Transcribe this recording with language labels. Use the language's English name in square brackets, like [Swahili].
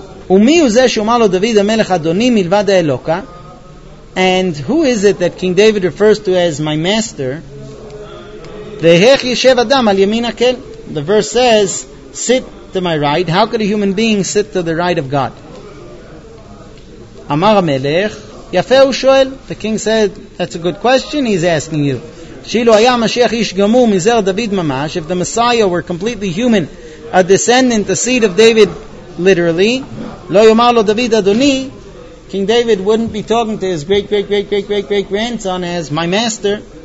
[Hebrew] ומי הוא זה שיאמר לו דוד המלך אדוני מלבד האלוקה? [English] And who is it that King David refers to as my master? [Hebrew] ואיך יישב אדם על ימין הקל? [English] The verse says, sit to my right. How could a human being sit to the right of God? [Hebrew] אמר המלך, יפה הוא שואל. [English] The king said, that's a good question, he's asking you. [Hebrew] שאילו היה משיח איש גמור מזר דוד ממש, [English] if the Messiah were completely human, a descendant, a seed of David, literally, [Hebrew] לא יאמר לו דוד אדוני, [English] King David wouldn't be talking to his great-great-great-great-great-great-grandson as my master.